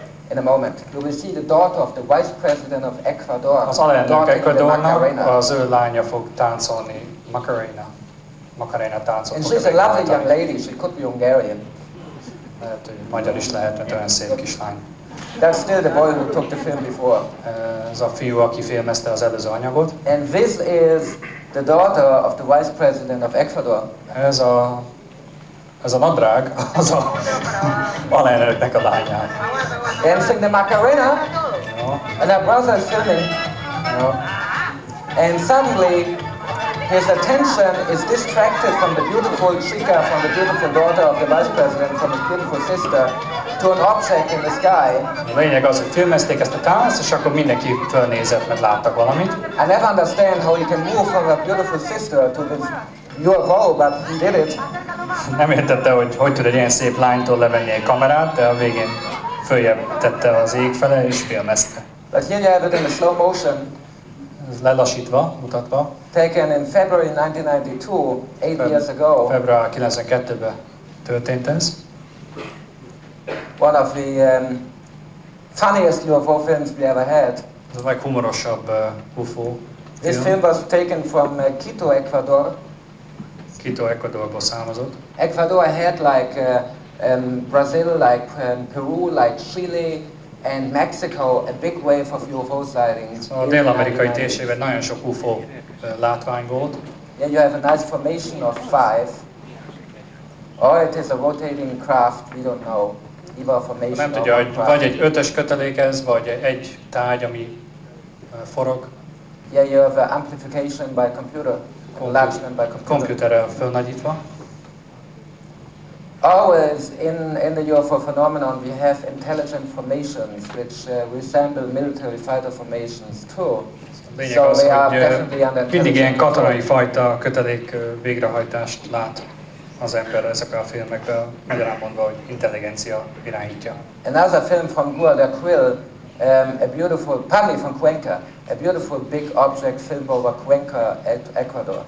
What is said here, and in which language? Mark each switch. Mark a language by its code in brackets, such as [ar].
[en] In a moment, you will see the daughter of the vice president of Ecuador. [hu] Az alelnök Ecuadornak az ő lánya fog táncolni Macarena. Macarena táncol. [en] And she's a lovely young lady. She could be Hungarian. [hu] Lehet, hogy magyar is lehet, mert olyan szép kislány. [en] That's still the boy who took the film before. [hu] Ez a fiú, aki filmezte az előző anyagot. [en] And this is the daughter of the vice president of Ecuador. [hu] Ez a nadrág, az a alelnöknek a lánya. [en] Dancing the Macarena. And her brother is filming. And suddenly, his attention is distracted from the beautiful chica, from the beautiful daughter of the vice president, from his beautiful sister, to an object in the sky. [hu] A lényeg az, hogy filmezték ezt a tánc, és akkor mindenki fölnézett, mert láttak valamit. [en] I never understand how you can move from a beautiful sister to this UFO, but he did it. [hu] Nem értette, hogy tud egy ilyen szép lánytól levenni egy kamerát, de a végén följebb tette az ég fele, és filmezte. [en] But here you have it in a slow motion. [hu] Ez lelassítva, mutatva. [en] Taken in February 1992, eight years ago. [hu] Február 92-ben történt ez. [en] One of the funniest UFO films we ever had. [hu] Ez a leghumorosabb UFO film. [en] This film was taken from Quito, Ecuador. [hu] Quito, Ecuadorból származott. [en] Ecuador had like Brazil, like Peru, like Chile, and Mexico, a big wave of UFO sightings. [hu] A dél-amerikai térségben nagyon sok UFO látvány volt. [en] Yeah, you have a nice formation of five. Or it is a rotating craft, we don't know. Either a formation [hu] nem tudja, hogy vagy egy ötös kötelékez, vagy egy tárgy, ami forog. [en] Yeah, you have amplification by computer. Enlargement by computer. [hu] Computerrel fölnagyítva. [en] Always in the UFO phenomenon we have intelligent formations which resemble military fighter formations too. So we are definitely under [hu] mindig ilyen katonai fajta kötelék végrehajtást lát az ember ezekben a filmekben, magyarán mondva, hogy intelligencia irányítja. [en] Another film from Guarda Quill, a beautiful, partly from Cuenca, a beautiful big object film over Cuenca at Ecuador.